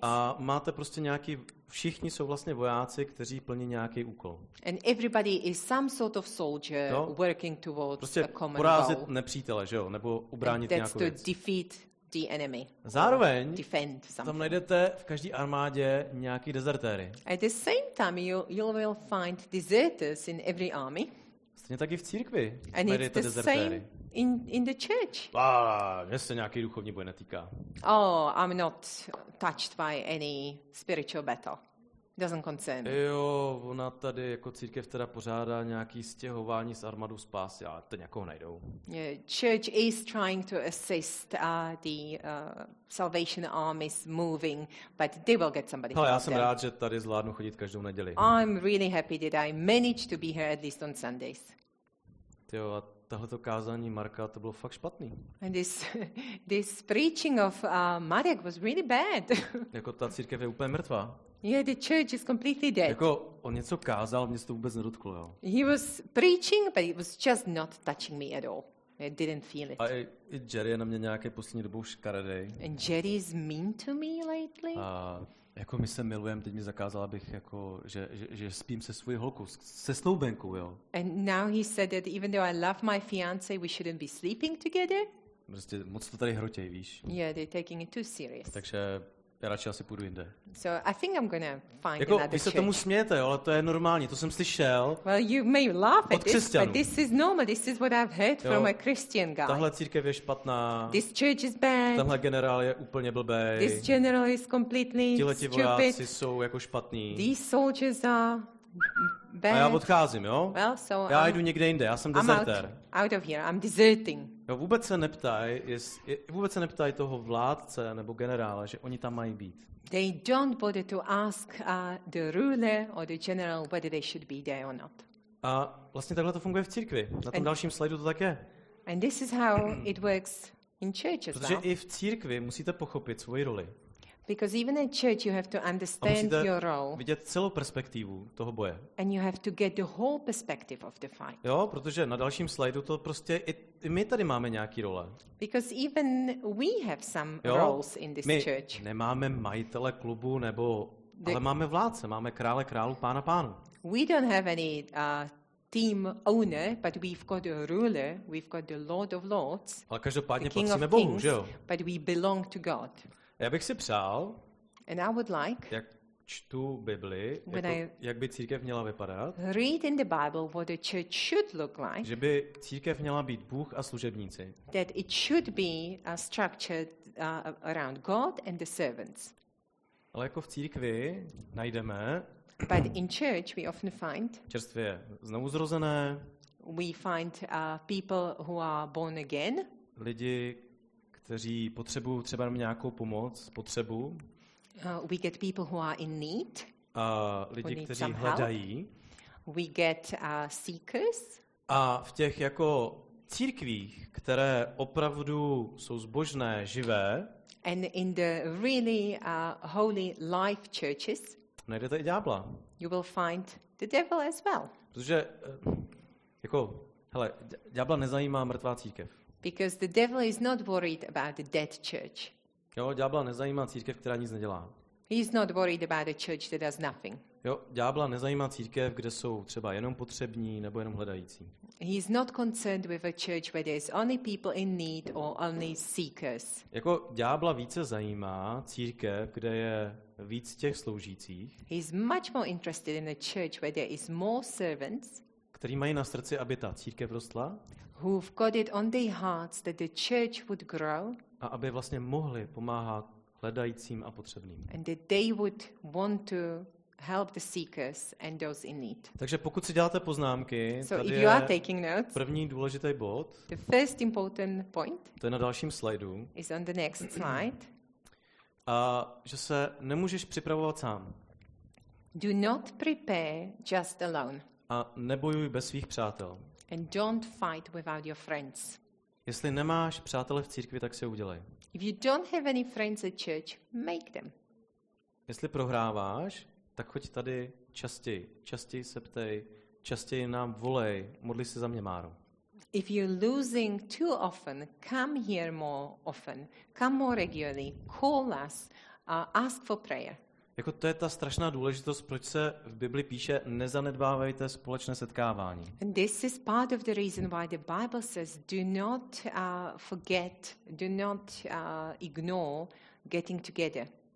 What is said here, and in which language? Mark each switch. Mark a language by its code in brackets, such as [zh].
[cs] A máte prostě nějaký, všichni jsou vlastně vojáci, kteří plní nějaký úkol. [en] And everybody is some sort of soldier working towards [cs] prostě [en] a common goal. [cs] Porazit nepřítele, že jo, nebo ubránit [en] that's [cs] nějakou věc. [en] Defeat the enemy. [cs] Zároveň tam najdete v každé armádě nějaký dezertéry. [en] At the same time you will find deserters in every army. [cs] Stejně tak i v církvi. [en] And it's the [cs] dezertéry. [en] Same in the church. [cs] Mě se nějaký duchovní boj netýká. [en] Oh, I'm not touched by any spiritual battle. Doesn't concern. [cs] Jo, ona tady jako církev teda pořádá nějaký stěhování z armádu spásy, ale to nějakou najdou. [en] Yeah, church is trying to assist the Salvation Army's moving, but they will get somebody. [cs] No, já jsem rád, že tady zvládnu chodit každou neděli. [en] I'm really happy that I managed to be here at least on Sundays. [cs] Jo, a tohleto kázání Marka, to bylo fakt špatný. [en] And this preaching of Marek was really bad. [cs] Jako ta církev je úplně mrtvá. [en] Yeah, the church is completely dead. [cs] Jako on něco kázal, mě se to vůbec nedotklo. Jo. [en] He was preaching, but it was just not touching me at all. I didn't feel it. [cs] A i Jerry je na mě nějaké poslední dobou škaredý. [en] And Jerry is mean to me lately. [cs] A jako my se milujeme, teď mi zakázal, abych jako, že spím se svou holkou, se snoubenkou, jo. [en] And now he said that even though I love my fiance, we shouldn't be sleeping together. [cs] Prostě moc to tady hrotěj, víš. [en] Yeah, they're taking it too serious. [cs] Takže já radši asi půjdu jinde. [en] So I think I'm gonna find [cs] jako, [en] another [cs] vy se [en] church. [cs] Tomu smějete, jo, ale to je normální, to jsem slyšel. [en] Well, you may laugh at this, but this is normal. This is what I've heard from a Christian guy. [cs] Tahle církev je špatná. [en] This church is bad. [cs] Tenhle generál je úplně blbý. [en] This general is completely stupid. [cs] Tihle vojáci jsou jako špatní. [en] These soldiers are bad. [cs] A já odcházím, jo? [en] Well, so [cs] já jdu někde jinde, já jsem dezertér. [en] Out of here, I'm deserting. [cs] Jo, vůbec se neptaj, vůbec se neptaj toho vládce nebo generála, že oni tam mají být. [en] They don't bother to ask the ruler or the general whether they should be there or not. [cs] A vlastně takhle to funguje v církvi. Na tom dalším slajdu to tak je. [en] And this is how it works in church as well. [cs] Protože i v církvi musíte pochopit svoji roli. [en] Because even in church you have to understand your role. [cs] Vidět celou perspektivu toho boje. [en] And you have to get the whole perspective of the fight. [cs] Jo, protože na dalším slajdu to prostě i my tady máme nějaký role. [en] Because even we have some roles in this church. [cs] My nemáme majitele klubu nebo ale máme vládce, máme krále králu, pána pánu. [en] We don't have any team owner, but we've got a ruler, we've got the Lord of Lords. [cs] Ale každopádně patříme Bohu, že jo? [en] But we belong to God. [cs] Já bych si přál, [en] and I would like, [cs] jak čtu Bibli, jak by církev měla vypadat, [en] read in the Bible what a church should look like, [cs] že by církev měla být Bůh a služebníci. [en] That it should be structured around God and the servants. [cs] Ale jako v církvi najdeme, [en] but in church we often find, [cs] čerstvě znovuzrozené, [en] we find people who are born again, [cs] lidi, kteří potřebují třeba nějakou pomoc, potřebu. [en] We get people who are in need. [cs] Lidi, kteří hledají. [en] We get seekers. [cs] A v těch jako církvích, které opravdu jsou zbožné, živé. [en] And in the really holy life churches. [cs] Najdete i ďábla. [en] You will find the devil as well. [cs] Protože jako hele, ďábla nezajímá mrtvá církev. [en] Because the devil is not worried about the dead church. [cs] Jo, ďábla nezajímá církev, která nic nedělá. [en] He is not worried about a church that does nothing. [cs] Jo, ďábla nezajímá církev, kde jsou třeba jenom potřební nebo jenom hledající. [en] He is not concerned with a church where there is only people in need or only seekers. [cs] Jako ďábla více zajímá církev, kde je víc těch sloužících. [en] He is much more interested in a church where there is more servants. [cs] Který mají na srdci, aby ta církev rostla. [en] Who've got it on their hearts that the church would grow. [cs] A aby vlastně mohli pomáhat hledajícím a potřebným. [en] And that they would want to help the seekers and those in need. [cs] Takže pokud si děláte poznámky, [en] so [cs] tady [en] are [cs] je [en] notes, [cs] první důležitý bod. [en] The first important point. [cs] To je na dalším slajdu. [en] Is on the next slide. [cs] A že se nemůžeš připravovat sám. [en] Do not prepare just alone. [cs] A nebojuj bez svých přátel. [en] And don't fight without your friends. [cs] Jestli nemáš přátele v církvi, tak si udělej. [en] If you don't have any friends at church, make them. [cs] Jestli prohráváš, tak choď tady častěji. Častěji se ptej, častěji nám volej, modli se za mě, Máro. [en] If you're losing too often, come here more often. Come more regularly, call us, ask for prayer. [cs] Jako to je ta strašná důležitost, proč se v Bibli píše nezanedbávejte společné setkávání. [en] And this is part of the reason why the Bible says do not forget, do not ignore getting together.